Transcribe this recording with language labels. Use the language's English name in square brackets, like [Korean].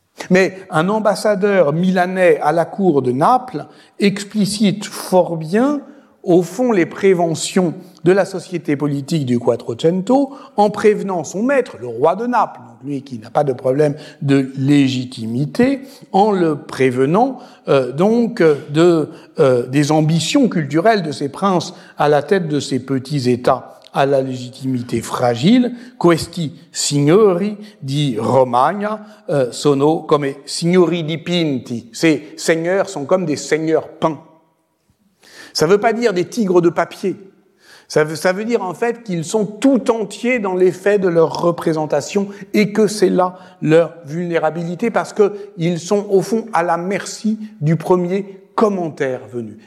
[French] Mais un ambassadeur milanais à la cour de Naples explicite fort bien, au fond, les préventions de la société politique du Quattrocento, en prévenant son maître, le roi de Naples, donc lui qui n'a pas de problème de légitimité, en le prévenant des ambitions culturelles de ces princes à la tête de ces petits états à la légitimité fragile. [Italian] Questi signori di Romagna sono come signori dipinti. [French] Ces seigneurs sont comme des seigneurs peints. Ça ne veut pas dire des tigres de papier. Ça veut dire en fait qu'ils sont tout entiers dans l'effet de leur représentation et que c'est là leur vulnérabilité parce qu'ils sont au fond à la merci du premier commentaire venu.